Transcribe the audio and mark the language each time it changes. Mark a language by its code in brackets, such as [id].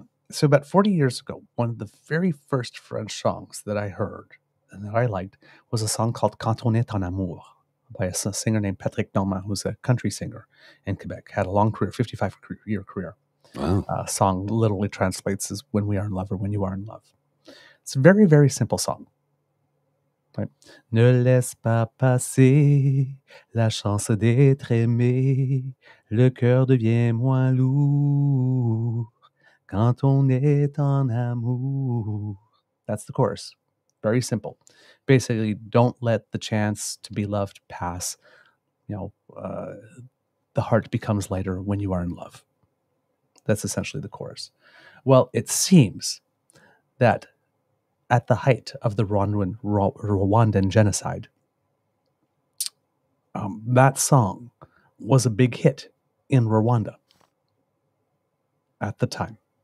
[en] So about 40 years ago, one of the very first French songs that I heard and that I liked was a song called Quand on est en amour by a singer named Patrick Doma, who's a country singer in Quebec. Had a long career, 55-year career. Wow. Song literally translates as when we are in love or when you are in love. It's a very, very simple song. Right. [fr] Ne laisse pas passer la chance d'être aimé. Le cœur devient moins lourd quand on est en amour. [en] That's the chorus. Very simple. Basically, don't let the chance to be loved pass. You know, the heart becomes lighter when you are in love. That's essentially the chorus. Well, it seems that at the height of the Rwandan genocide, that song was a big hit in Rwanda at the time.